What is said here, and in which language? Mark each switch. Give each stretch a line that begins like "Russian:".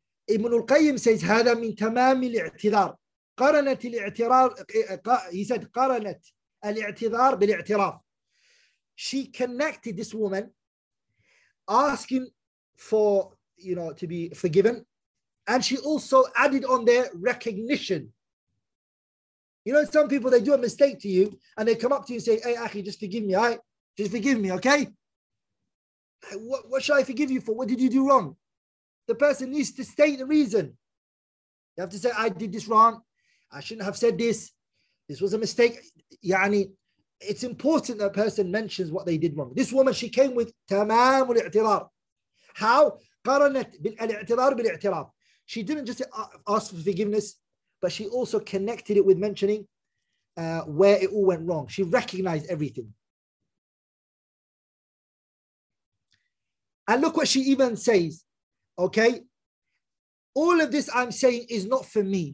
Arabic: ابن القيم
English: says
Arabic: هذا من تمام الاعتذار. قرنت الاعتراف,
English: he said,
Arabic: قرنت الاعتذار بالاعتراف.
English: She connected this woman asking for, you know, to be forgiven, and she also added on their recognition. You know, some people, they do a mistake to you and they come up to you and say, hey, Akhi, just forgive me, all right? Just forgive me, okay? What should I forgive you for? What did you do wrong? The person needs to state the reason. You have to say, I did this wrong. I shouldn't have said this. This was a mistake. يعني, it's important that a person mentions what they did wrong. This woman, she came with
Arabic: تمام الاعتذار.
English: How?
Arabic: قرنت الاعتذار بالاعتراف.
English: She didn't just ask for forgiveness, but she also connected it with mentioning where it all went wrong. She recognized everything. And look what she even says. Okay? all of this I'm saying is not for me.